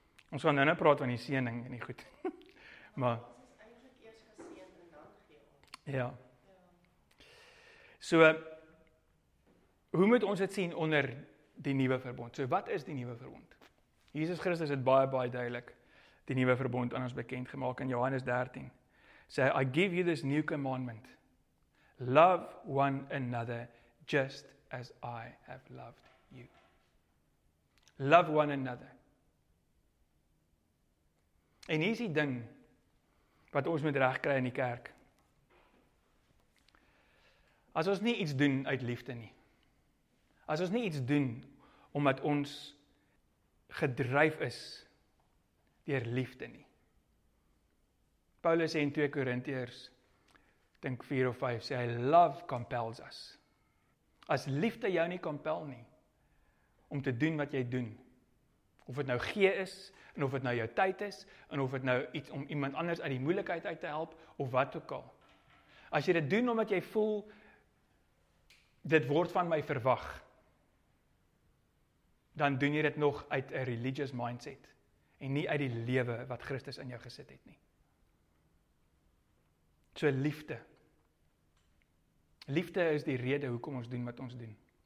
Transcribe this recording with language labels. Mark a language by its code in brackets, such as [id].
[af] Ons gaan nou praat van die seëning en die goed. Maar ja. So, hoe moet ons dit sien onder die nuwe verbond? So, wat is die nuwe verbond? Jesus Christus het baie, baie duidelik die nuwe verbond aan ons bekend gemaak in Johannes 13. Sê, [en] I give you this new commandment. Love one another just as I have loved you. Love one another. [af] En hier is die ding wat ons moet regkry in die kerk. As ons nie iets doen uit liefde nie. As ons nie iets doen, omdat ons gedryf is deur liefde nie. Paulus sê in 2 Korintiërs, dink 4 of 5, sê hy, [en] love compels us. [af] As liefde jou nie compel nie, om te doen wat jy doen, of het nou gee is, en of het nou jou tyd is, en of het nou iets om iemand anders uit die moeilikheid uit te help, of wat ook al. As jy dit doen omdat jy voel, dit word van my verwag, dan doen jy dit nog uit 'n [en] religious mindset, [af] en nie uit die lewe wat Christus in jou gesit het nie. So liefde. Liefde is die rede hoekom ons doen wat ons doen.